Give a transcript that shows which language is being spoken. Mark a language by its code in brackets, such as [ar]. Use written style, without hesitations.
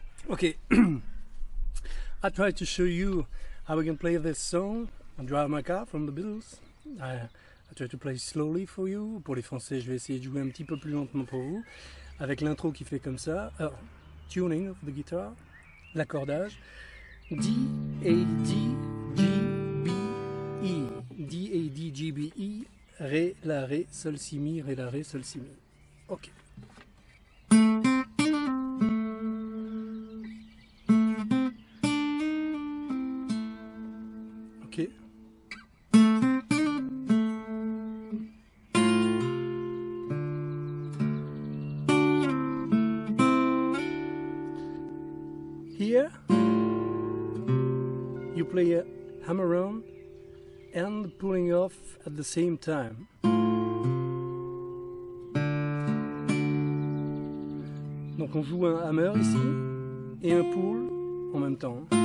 [en] Okay, I tried to show you how we can play this song, I'm driving my car from the Beatles. I tried to play slowly for you. [fr] Pour les Français, je vais essayer de jouer un petit peu plus lentement pour vous. Avec l'intro qui fait comme ça. [en] Tuning of the guitar, [fr] l'accordage. [en] D, A, D, G, B, E. D, A, D, G, B, E. [fr] Ré, la, ré, sol, si, mi, ré, la, ré, sol, si, mi. Ok. [en] Here, you play a hammer on and pulling off at the same time. [fr] Donc on joue un hammer ici et un pull en même temps.